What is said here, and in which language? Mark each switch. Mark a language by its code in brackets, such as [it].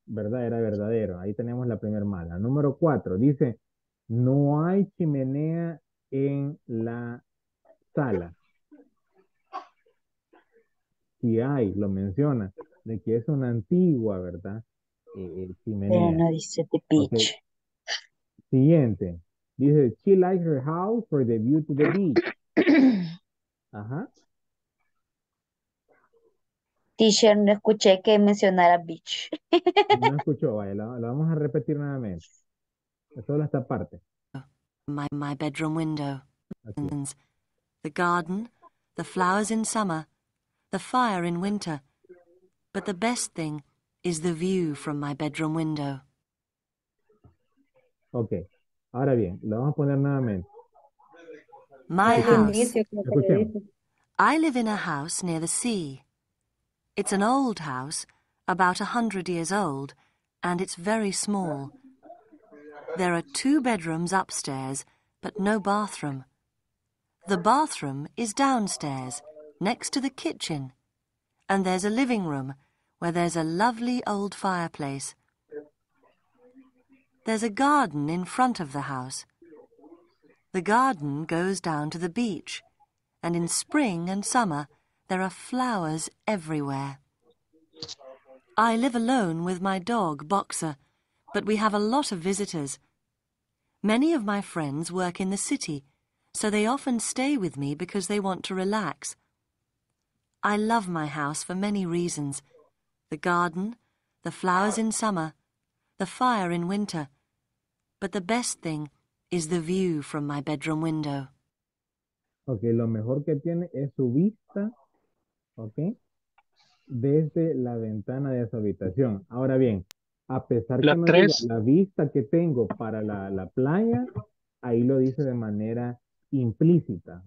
[es] ¿Verdad? Era verdadero. Ahí tenemos la primera mala. Número 4, dice... No hay chimenea en la sala. Sí hay, lo menciona, de que es una antigua, ¿verdad? Chimenea. Pero no dice [en] the beach. [es] Okay. Siguiente. Dice, [en] she likes her house for the view to the beach. [es] Ajá. Teacher, no escuché que mencionara beach. No escuchó, vaya, lo vamos a repetir nuevamente. Solo esta parte. [en] My bedroom window. The garden, the flowers in summer, the fire in winter. But the best thing is the view from my bedroom window. [es] Ok, ahora bien, lo vamos a poner nuevamente. [en] My house. [es] Escuchemos. [en] I live in a house near the sea. It's an old house, about 100 years old, and it's very small. There are 2 bedrooms upstairs, but no bathroom. The bathroom is downstairs, next to the kitchen. And there's a living room, where there's a lovely old fireplace. There's a garden in front of the house. The garden goes down to the beach, and in spring and summer, there are flowers everywhere. I live alone with my dog, Boxer, but we have a lot of visitors. Many of my friends work in the city, so they often stay with me because they want to relax. I love my house for many reasons. The garden, the flowers in summer, the fire in winter. But the best thing is the view from my bedroom window. [es] Okay, lo mejor que tiene es su vista, okay, desde la ventana de su habitación. Ahora bien, a pesar la que no tres. Diga, la vista que tengo para la playa, ahí lo dice de manera implícita.